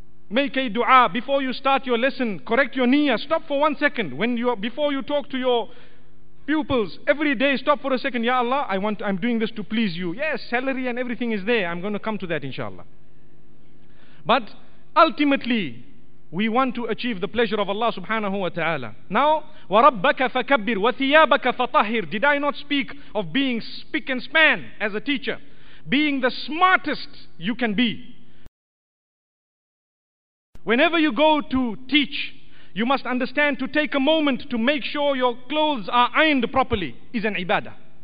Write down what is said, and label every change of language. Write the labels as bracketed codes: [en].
[en] Make a dua before you start your lesson. Correct your niyyah. Stop for 1 second before you talk to your pupils. Every day stop for a second. Ya Allah, I'm doing this to please you. Yes, salary and everything is there. I'm going to come to that inshallah. But ultimately, we want to achieve the pleasure of Allah subhanahu wa ta'ala. [ar] Now, وَرَبَّكَ فَكَبِّرْ وَثِيَابَكَ فَطَهِّرْ. [en] Did I not speak of being spick and span as a teacher? Being the smartest you can be. Whenever you go to teach, you must understand to take a moment to make sure your clothes are ironed properly is an ibadah.